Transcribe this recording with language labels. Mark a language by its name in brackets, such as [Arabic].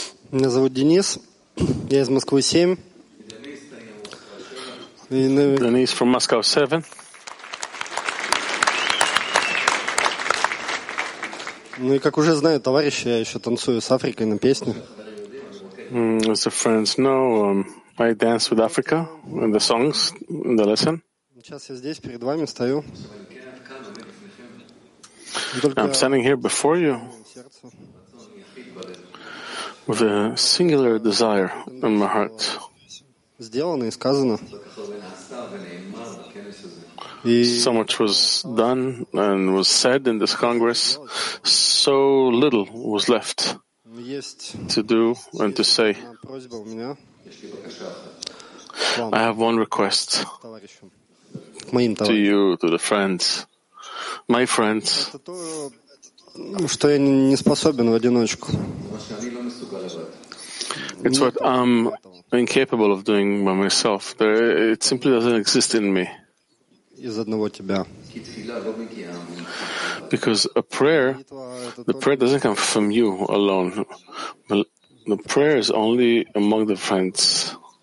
[Russian] Меня зовут Денис. Я из Москвы 7. [English] Денис from Moscow 7. [Russian] Ну и как уже знаю, товарищи, я еще танцую с Африкой на песне. [English] As the friends know, I dance with Africa in the songs, in the lesson. [Russian] Сейчас я здесь перед вами стою. [English] I'm standing here before you with a singular desire in my heart. [Russian] Сделано и сказано. [English] So much was done and was said in this Congress, so little was left to do and to say. I have one request to you, to the friends, my friends. [Russian] Что я не способен в одиночку. [English] It's what I'm incapable of doing by myself. It simply doesn't exist in me. [Russian] Из одного тебя. [English] Because a prayer, the prayer doesn't come from you alone. The prayer is only among the friends.